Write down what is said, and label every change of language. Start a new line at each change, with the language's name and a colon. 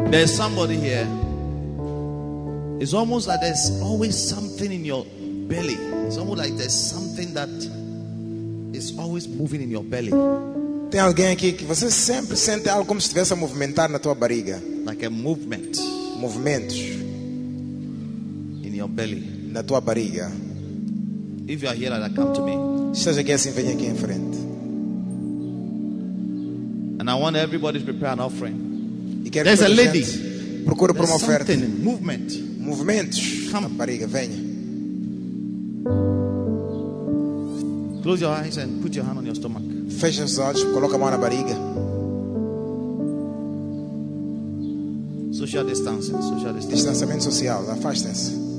English: It's almost like there's always something in your belly. It's almost like there's something that is always moving in your belly.
Portuguese: Tem alguém aqui que você sempre sente algo como se estivesse a movimentar na tua barriga.
English: Like a movement.
Portuguese: Movimentos.
English: In your belly.
Portuguese: Na tua barriga.
English: If you are here, like, come to me.
Portuguese: Se estás aqui assim, venha aqui em frente.
English: And I want everybody to prepare an offering.
Portuguese: E quero
English: there's
Portuguese: que
English: a lady.
Portuguese: Procura por uma oferta.
English: There's something, movement.
Portuguese: Movimentos.
English: Come.
Portuguese: Barriga, venha.
English: Close your eyes and put your hand on your stomach.
Portuguese: Feche os olhos, coloca a mão na barriga.
English: Social distance, social distance.
Portuguese: Distanciamento social, afastem-se.